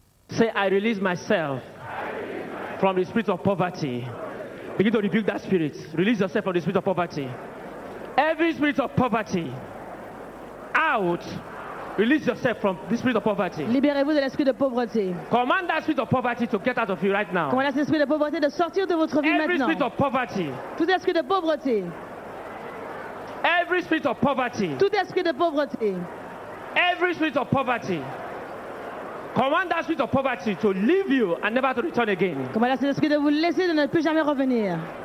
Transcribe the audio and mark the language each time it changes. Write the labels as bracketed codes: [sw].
[en] Say, I release myself from the spirit of poverty. Begin to rebuke that spirit. Release yourself from the spirit of poverty. Every spirit of poverty, out. Release yourself from the spirit of poverty. [fr] Libérez-vous de l'esprit de pauvreté. [en] Command that spirit of poverty to get out of you right now. [fr] Commandez cet esprit de pauvreté de sortir de votre vie maintenant. [en] Every spirit of poverty. [fr] Tout esprit de pauvreté. [en] Every spirit of poverty. [fr] Tout esprit de pauvreté. [en] Every spirit of poverty. Command that spirit of poverty to leave you and never to return again. [fr] Commandez cet esprit de vous laisser de ne plus jamais revenir.